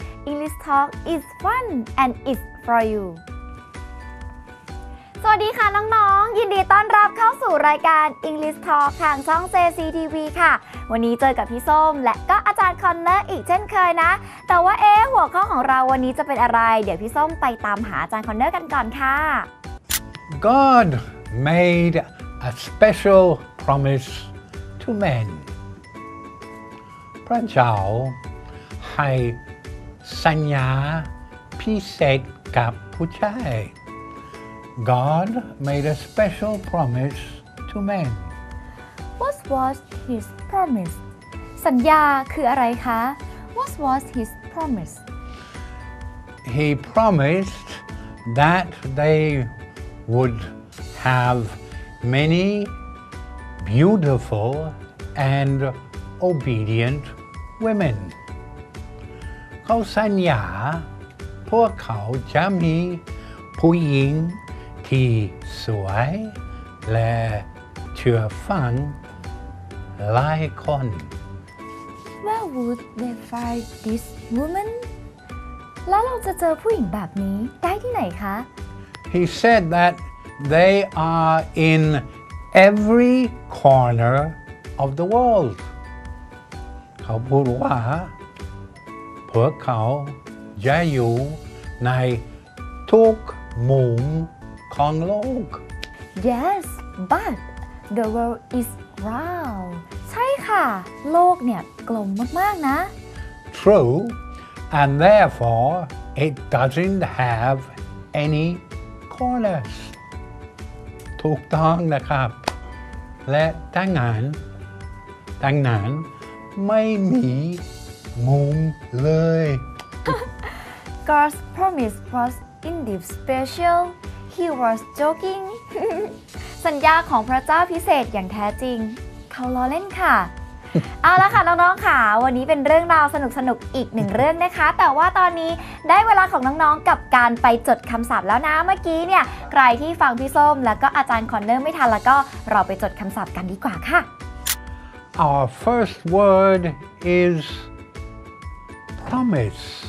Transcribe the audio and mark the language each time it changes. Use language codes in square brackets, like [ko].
[en] English Talk is fun and it's for you. [th] สวัสดีค่ะน้องๆยินดีต้อนรับเข้าสู่รายการ English Talk ทางช่อง JCTV ค่ะวันนี้เจอกับพี่ส้มและก็อาจารย์คอนเนอร์อีกเช่นเคยนะแต่ว่าหัวข้อของเราวันนี้จะเป็นอะไรเดี๋ยวพี่ส้มไปตามหาอาจารย์คอนเนอร์กันก่อนค่ะ [en] God made a special promise to men [th] พระเจ้าให้สัญญาพิเศษกับผู้ชาย [en] God made a special promise to men. What was his promise? [th] สัญญาคืออะไรคะ? [en] What was his promise? He promised that they would have many beautiful and obedient women. [th] เขาสัญญาพวกเขาจะมีผู้หญิงที่สวยและเชื่อฟังหลายคน [en] Where would they find this woman? [th] แล้วเราจะเจอผู้หญิงแบบนี้ได้ที่ไหนคะ [en] He said that they are in every corner of the world. [th] เขาพูดว่าพวกเขาจะอยู่ในทุกมุมของโลก [en] Yes, but the world is round. [th] ใช่ค่ะ โลกเนี่ยกลมมากๆนะ [en] True, and therefore it doesn't have any corners. [th] ถูกต้องนะครับ และดังนั้นไม่มีมุมเลย [en] God's promise was indeed special. He was joking. [th] สัญญาของพระเจ้าพิเศษอย่างแท้จริงเขาล้อเล่นค่ะ เอาละค่ะน้องๆค่ะวันนี้เป็นเรื่องราวสนุกๆอีกหนึ่งเรื่องนะคะแต่ว่าตอนนี้ได้เวลาของน้องๆกับการไปจดคำศัพท์แล้วนะเมื่อกี้เนี่ยใครที่ฟังพี่ส้มแล้วก็อาจารย์คอนเนอร์ไม่ทันแล้วก็เราไปจดคำศัพท์กันดีกว่าค่ะ [en] Our first word is promise.